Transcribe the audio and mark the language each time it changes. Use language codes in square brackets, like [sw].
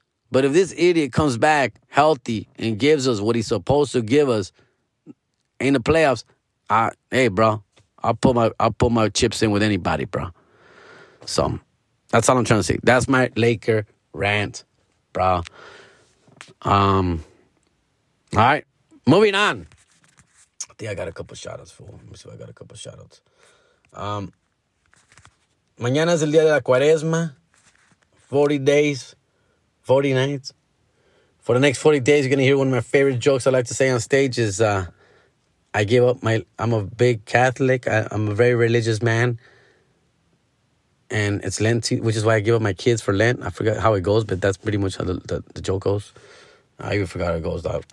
[en] But if this idiot comes back healthy and gives us what he's supposed to give us in the playoffs, I'll put my chips in with anybody, bro. So that's all I'm trying to say. That's my Laker rant, bro. All right, moving on. I think I got a couple shout-outs, fool. Let me see if I got a couple shout-outs. [es] Mañana es el día de la Cuaresma. [en] 40 days. 40 nights. For the next 40 days, you're going to hear one of my favorite jokes I like to say on stage is, I give up I'm a big Catholic. I'm a very religious man. And it's Lent, which is why I give up my kids for Lent. I forgot how it goes, but that's pretty much how the joke goes. I even forgot how it goes, though.